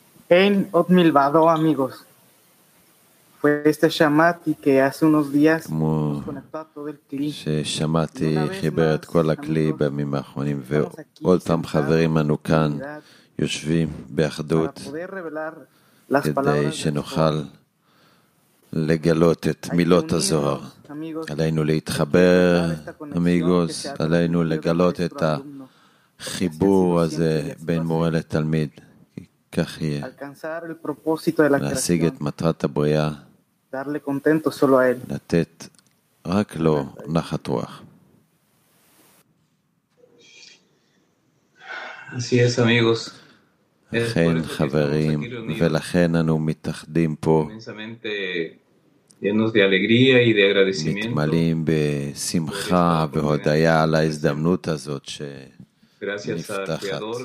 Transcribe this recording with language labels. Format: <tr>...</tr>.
<es>En Otmilvado, amigos, fue este Shamati que hace unos días conectó a todo el clip.</es> <he>Shamati חיבר את כל הכלי בימים האחרונים, ועוד פעם חברים אנו כאן יושבים באחדות כדי שנוכל לגלות את מילות הזוהר. עלינו להתחבר, amigos, עלינו לגלות את החיבור הזה בין מורה לתלמיד. כך יהיה.</he> <es>Alcanzar el propósito de la creación.</es> <he>להשיג את מטרת הבריאה.</he> <es>Darle contento solo a él.</es> <he>לתת רק לו נחת רוח.</he> <es>Así es, amigos.</es> <he>אכן, חברים, ולכן אנו מתאחדים פה.</he> <es>Inmensamente llenos de alegría y de agradecimiento.</es> <he>מתמלאים בשמחה והודיה על ההזדמנות הזאת ש נפתחת.</he>